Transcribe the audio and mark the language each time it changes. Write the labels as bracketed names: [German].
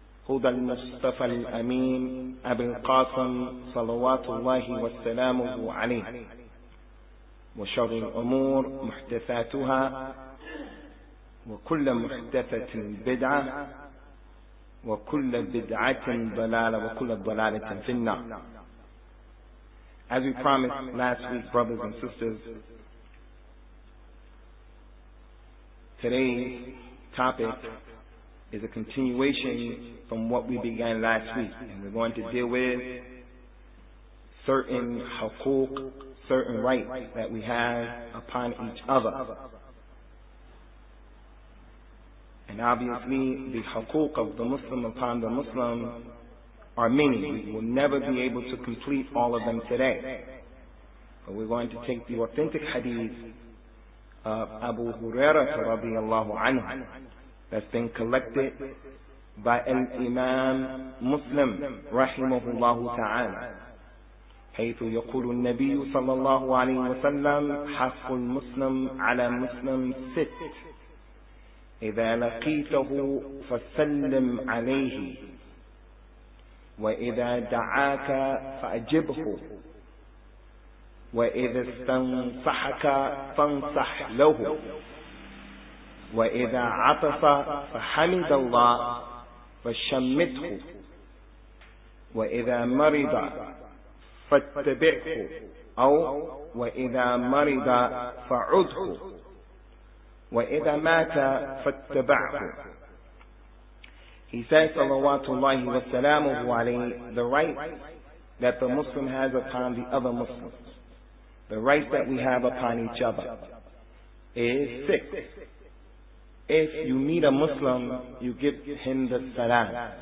[Arabic] هدى المصطفى الأمين أبي القاسم صلوات الله وسلامه عليه، وشر الأمور محدثاتها، وكل محدثة بدعة، وكل بدعة ضلالة، وكل ضلالة في النار. [English] As we promised last week, brothers and sisters, today's topic is a continuation from what we began last week. And we're going to deal with certain haqooq, certain rights that we have upon each other. And obviously, the haqooq of the Muslim upon the Muslim are many. We will never be able to complete all of them today. But we're going to take the authentic hadith of Abu Hurairah radiallahu anhu that's been collected by Imam Muslim rahimahullahu ta'ala. [Arabic] حيث يقول النبي صلى الله عليه وسلم حق المسلم على مسلم ست إذا لقيته فسلم عليه وإذا دعاك فأجبه وإذا استنصحك فانصح له وإذا عطس فحمد الله فشمته وإذا مرض فاتبعه أو وإذا مرض فعده وإذا مات فاتبعه. [English] He says, salawatullahi wa salamuhu alayhi, the rights that the Muslim has upon the other Muslims, the rights that we have upon each other, is six. If you meet a Muslim, you give him the salam.